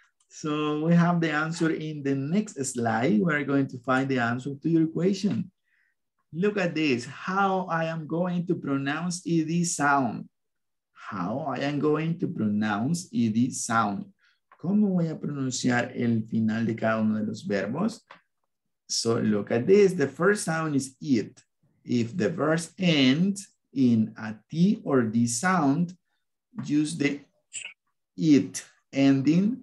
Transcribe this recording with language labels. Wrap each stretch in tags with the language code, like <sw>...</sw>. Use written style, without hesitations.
<en>So we have the answer in the next slide. We're going to find the answer to your question. Look at this, how I am going to pronounce ED sound. How I am going to pronounce ED sound.</en> <es>¿Cómo voy a pronunciar el final de cada uno de los verbos?</es> <en>So look at this, the first sound is it. If the verb ends in a T or D sound, use the it ending.</en>